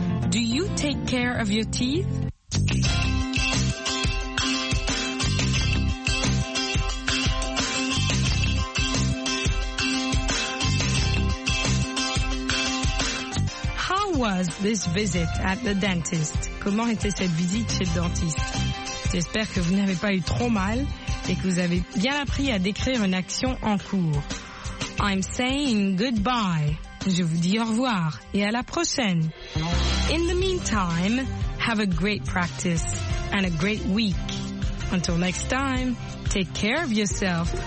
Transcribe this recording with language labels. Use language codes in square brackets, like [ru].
[en] Do you take care of your teeth? How was this visit at the dentist? [fr] Comment était cette visite chez le dentiste? J'espère que vous n'avez pas eu trop mal et que vous avez bien appris à décrire une action en cours. [en] I'm saying goodbye. [fr] Je vous dis au revoir et à la prochaine. [en] In the meantime, have a great practice and a great week. Until next time, take care of yourself.